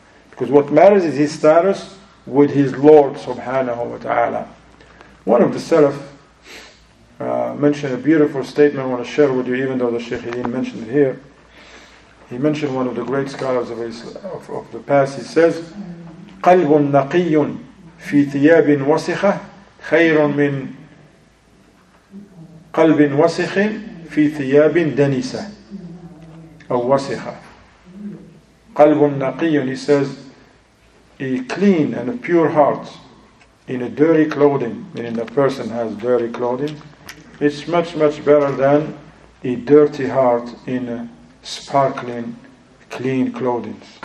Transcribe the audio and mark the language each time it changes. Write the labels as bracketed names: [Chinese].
[English] Because what matters is his status with his Lord subhanahu wa ta'ala. One of the Salaf mentioned a beautiful statement I want to share with you, even though the Shaykh didn't mention it here. He mentioned one of the great scholars of Islam, of the past. He says, [Arabic] قَلْبٌ نَقِيٌّ فِي ثِيَابٍ وَسِخَةٍ خَيْرٌ مِنْ قَلْبٍ وَسِخٍ فِي ثِيَابٍ دَنِسَةٍ أَوْ وَسِخَةٍ. قَلْبٌ نَقِيٌّ, [English] he says, a clean and a pure heart in a dirty clothing, meaning the person has dirty clothing, it's much, much better than a dirty heart in a sparkling, clean clothing.